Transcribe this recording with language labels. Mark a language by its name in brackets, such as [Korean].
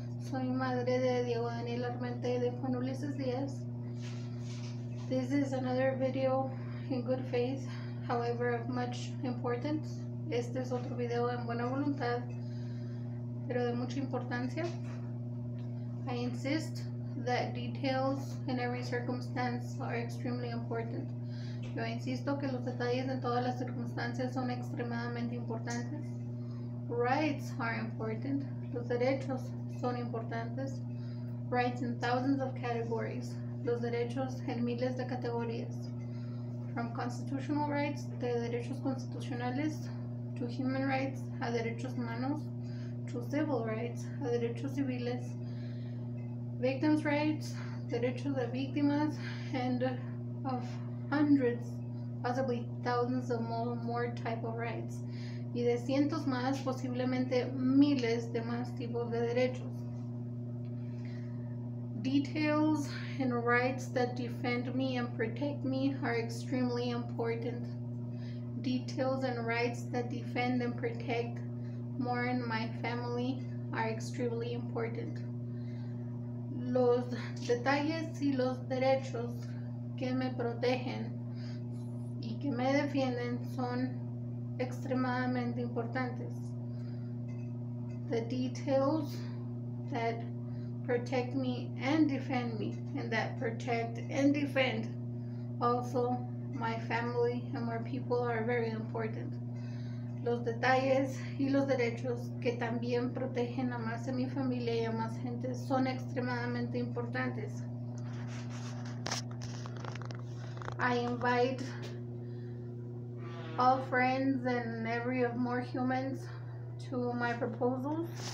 [Spanish] Soy madre de Diego Daniel Armenta y de Juan Ulises Díaz. [English] This is another video in good faith, however of much importance. [Spanish] Este es otro video en buena voluntad, pero de mucha importancia. [English] I insist that details in every circumstance are extremely important. [Spanish] Yo insisto que los detalles en todas las circunstancias son extremadamente importantes. [English] Rights are important. [Spanish] Los derechos son importantes. [English] Rights in thousands of categories. [Spanish] Los derechos en miles de categorías. [English] From constitutional rights, [Spanish] de derechos constitucionales, [English] to human rights, [Spanish] a derechos humanos, [English] to civil rights, [Spanish] a derechos civiles, [English] victims' rights, [Spanish] derechos de víctimas, [English] and of hundreds, possibly thousands of more type of rights. [Spanish] Y de cientos más, posiblemente miles de más tipos de derechos. [English] Details and rights that defend me and protect me are extremely important. Details and rights that defend and protect more in my family are extremely important. [Spanish] Los detalles y los derechos que me protegen y que me defienden son extremadamente importantes. [English] The details that protect me and defend me, and that protect and defend also my family and my people are very important. [Spanish] Los detalles y los derechos que también protegen a más de mi familia y a más gente son extremadamente importantes. [English] I invite all friends and every of more humans to my proposal.